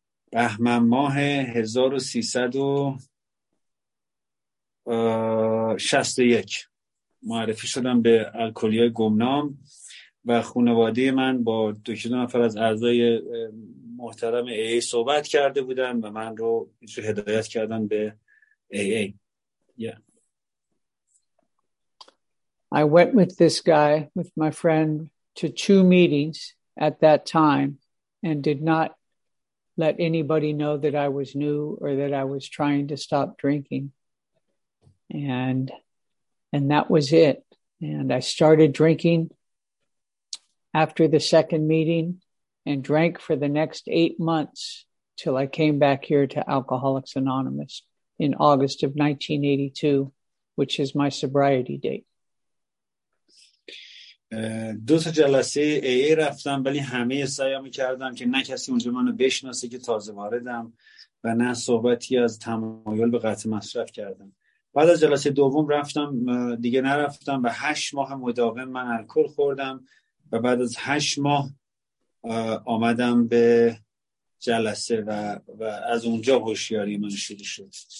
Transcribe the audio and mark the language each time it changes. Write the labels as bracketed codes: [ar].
[fa] بهمن ماه 1361 معرفی شدم به الکلی گمنام و خانواده من با دو نفر از اعضای محترم AA صحبت کرده بودن و من رو هدایت کردن به AA. Yeah. [en] I went with this guy, with my friend, to two meetings at that time and did not let anybody know that I was new or that I was trying to stop drinking. And that was it. And I started drinking after the second meeting and drank for the next 8 months till I came back here to Alcoholics Anonymous in August of 1982, which is my sobriety date. [fa] دو تا جلسه AA رفتم، ولی همه سعی میکردم که نه کسی اونجا منو بشناسه که تازه واردم و نه صحبتی از تمایل به قطع مصرف کردم. بعد از جلسه دوم رفتم، دیگه نرفتم و 8 ماه مداوم من الکل خوردم و بعد از 8 ماه آمدم به جلسه و از اونجا هوشیاری من شروع شد.